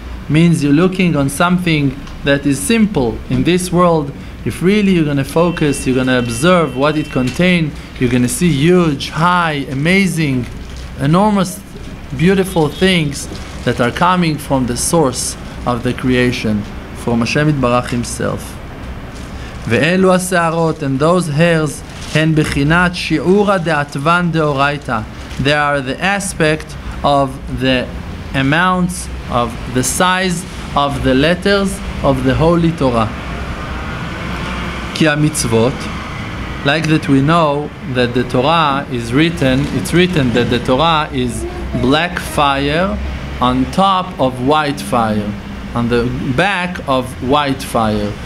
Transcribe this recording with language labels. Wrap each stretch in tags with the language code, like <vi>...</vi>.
<en>Means you're looking on something that is simple in this world. If really you're gonna focus, you're gonna observe what it contains, you're gonna see huge, high, amazing, enormous, beautiful things that are coming from the source of the creation, from Hashem Yitbarach himself.</en> <he>ואלו השערות,</he> <en>and those hairs,</en> <he>הן בחינת שיעורה דעתוון דאורייתא.</he> <en>They are the aspect of the amounts, of the size, of the letters of the Holy Torah.</en> <he>כי המצוות,</he> <en>like that we know that the Torah is written, it's written that the Torah is black fire on top of white fire, on the back of white fire.</en>